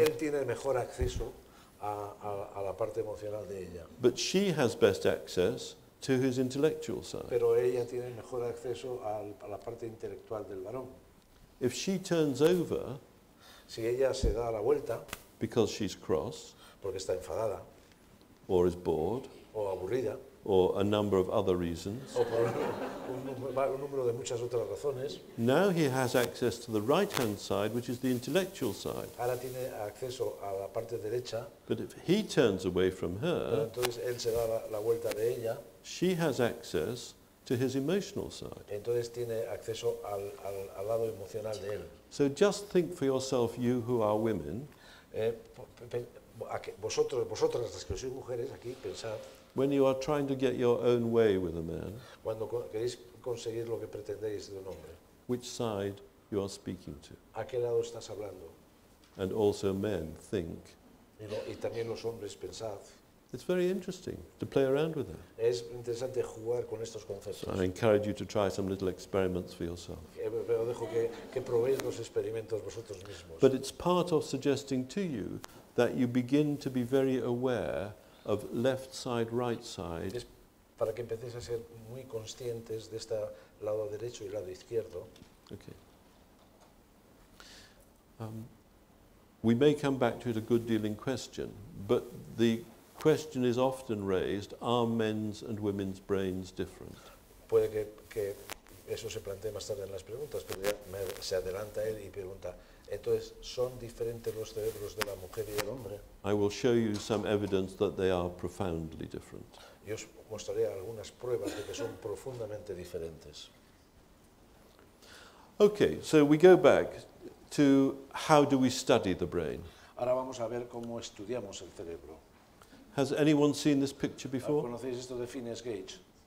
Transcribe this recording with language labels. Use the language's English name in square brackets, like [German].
[Spanish] Él tiene mejor acceso a la parte emocional de ella. [English] But she has best access to his intellectual side. [Spanish] Pero ella tiene mejor acceso a la parte intelectual del varón. [English] If she turns over, [Spanish] si ella se da la vuelta, [English] because she's cross, [Spanish] porque está enfadada, [English] or is bored, [Spanish] o aburrida, [English] or a number of other reasons, [Spanish] o por un número de muchas otras razones, [English] now he has access to the right-hand side, which is the intellectual side. [Spanish] Ahora tiene acceso a la parte derecha, [English] but if he turns away from her, [Spanish] entonces él se da la vuelta de ella, [English] she has access to his emotional side. [Spanish] Entonces tiene acceso al lado emocional de él. [English] So just think for yourself, you who are women, [Spanish] vosotras las que sois mujeres aquí, pensad, [English] when you are trying to get your own way with a man, [Spanish] cuando queréis conseguir lo que pretendéis de un hombre, [English] which side you are speaking to, [Spanish] a qué lado estás hablando. [English] And also men, think, [Spanish] y también los hombres, pensad. [English] It's very interesting to play around with that. [Spanish] Es interesante jugar con estos conceptos. [English] So I encourage you to try some little experiments for yourself. [Spanish] Pero dejo que probéis los experimentos vosotros mismos. [English] But it's part of suggesting to you that you begin to be very aware of left side, right side. [Spanish] Es para que empecéis a ser muy conscientes de este lado derecho y lado izquierdo. [English] Okay. We may come back to it a good deal in question, but the question is often raised, are men's and women's brains different? [Spanish] Puede que eso se plantee más tarde en las preguntas, pero ya se adelanta él y pregunta, entonces, ¿son diferentes los cerebros de la mujer y del hombre? [English] I will show you some evidence that they are profoundly different. [Spanish] Yo os mostraré algunas pruebas de que son profundamente diferentes. [English] Okay, so we go back to how do we study the brain. [Spanish] Ahora vamos a ver cómo estudiamos el cerebro. [English] Has anyone seen this picture before? [Spanish] ¿Conocéis esto de Phineas Gage?